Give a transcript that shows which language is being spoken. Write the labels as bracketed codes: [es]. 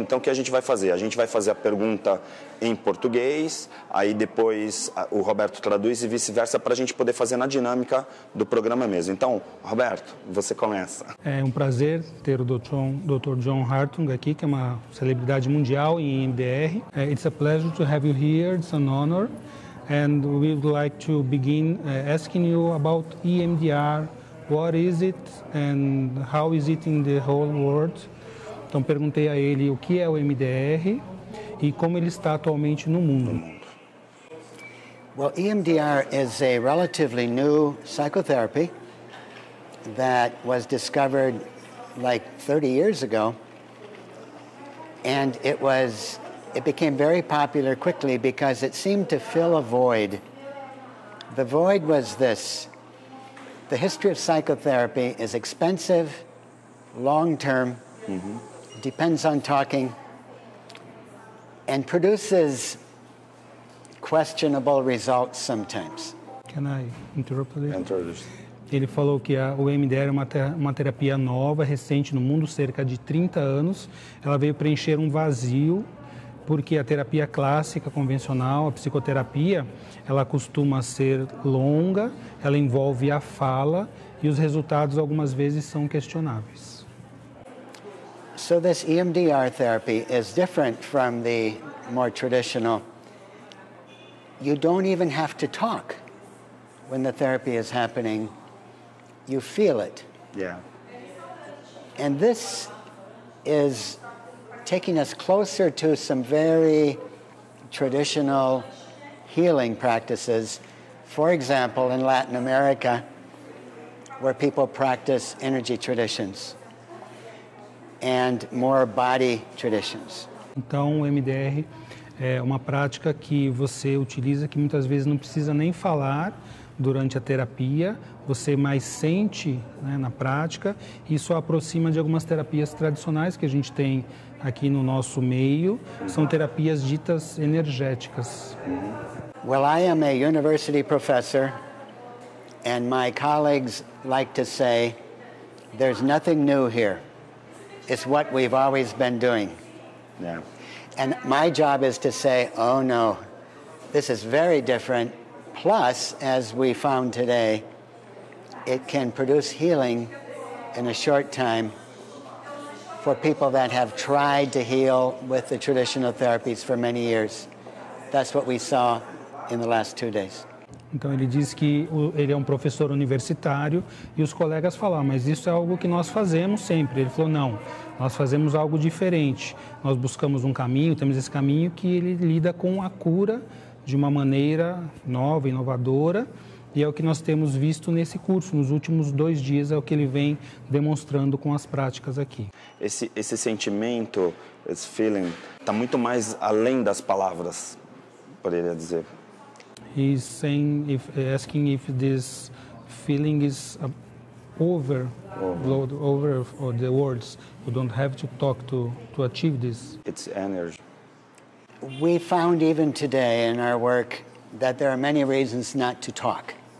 [pt] Então, o que a gente vai fazer? A gente vai fazer a pergunta em português, aí depois o Roberto traduz e vice-versa, para a gente poder fazer na dinâmica do programa mesmo. Então, Roberto, você começa. É um prazer ter o Dr. John Hartung aqui, que é uma celebridade mundial em MDR. [en] It's a pleasure to have you here, it's an honor. And we would like to begin asking you about EMDR. What is it and how is it in the whole world? Então, perguntei a ele o que é o MDR e como ele está atualmente no mundo. Well, EMDR is a relatively new psychotherapy that was discovered like 30 years ago, and it became very popular quickly because it seemed to fill a void. The void was this: the history of psychotherapy is expensive, long-term, depends on talking, and produces questionable results sometimes. Can I interrupt a little? Introduce. [pt] Ele falou que o EMDR é uma terapia nova, recente no mundo, cerca de 30 anos. Ela veio preencher um vazio, porque a terapia clássica, convencional, a psicoterapia, ela costuma ser longa, ela envolve a fala e os resultados algumas vezes são questionáveis. [en] So this EMDR therapy is different from the more traditional. You don't even have to talk when the therapy is happening. You feel it. Yeah. And this is taking us closer to some very traditional healing practices. For example, in Latin America, where people practice energy traditions and more body traditions. [pt] Então, o MDR é uma prática que você utiliza, que muitas vezes não precisa nem falar durante a terapia, você mais sente, né, na prática. Isso aproxima de algumas terapias tradicionais que a gente tem aqui no nosso meio. São terapias ditas energéticas. [en] Well, I am a university professor, and my colleagues like to say, there's nothing new here. It's what we've always been doing. Yeah. And my job is to say, oh no, this is very different. Plus, as we found today, it can produce healing in a short time for people that have tried to heal with the traditional therapies for many years. That's what we saw in the last 2 days. [pt] Então, ele diz que ele é um professor universitário e os colegas falam, mas isso é algo que nós fazemos sempre. Ele falou, não, nós fazemos algo diferente. Nós buscamos um caminho, temos esse caminho que ele lida com a cura de uma maneira nova, inovadora, e é o que nós temos visto nesse curso. Nos últimos 2 dias é o que ele vem demonstrando com as práticas aqui. Esse sentimento, esse feeling, está muito mais além das palavras, poderia dizer. [en] He's saying, asking if this feeling is over, over or the words. You don't have to talk to achieve this. It's energy. We found even today in our work that there are many reasons not to talk.